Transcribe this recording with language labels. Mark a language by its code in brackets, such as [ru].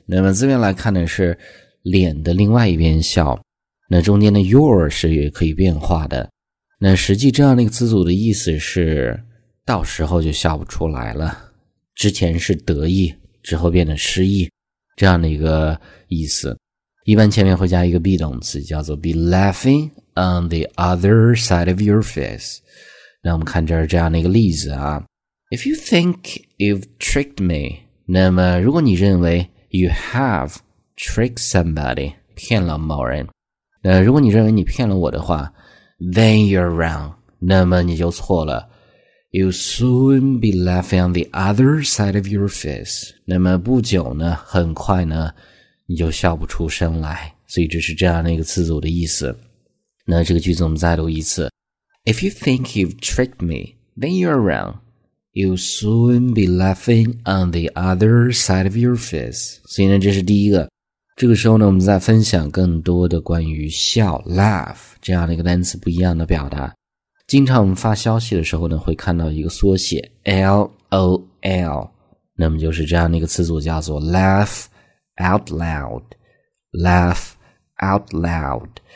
[zh] 那么字面来看的是脸的另外一边笑，那中间的 your 是也可以变化的。那实际这样的一个词组的意思是到时候就笑不出来了，之前是得意，之后变得失意，这样的一个意思。一般前面会加一个 be 动词，叫做 [en] be laughing on the other side of your face。 [zh] 那我们看这儿这样的一个例子啊， [en] If you think you've tricked me， [zh] 那么如果你认为 [en] you have tricked somebody， [zh] 骗了某人，那如果你认为你骗了我的话， [en] then you're wrong， [zh] 那么你就错了。 [en] You'll soon be laughing on the other side of your face， [zh] 那么不久呢，很快呢，你就笑不出声来。所以这是这样的一个词组的意思。那这个句子我们再读一次。 [en] If you think you've tricked me, then you're wrong. You'll soon be laughing on the other side of your face. [zh] 所以呢，这是第一个。这个时候呢，我们再分享更多的关于笑 laugh 这样的一个单词不一样的表达。经常我们发消息的时候呢，会看到一个缩写 LOL。那么就是这样的一个词组，叫做 [en] laugh out loud, laugh out loud。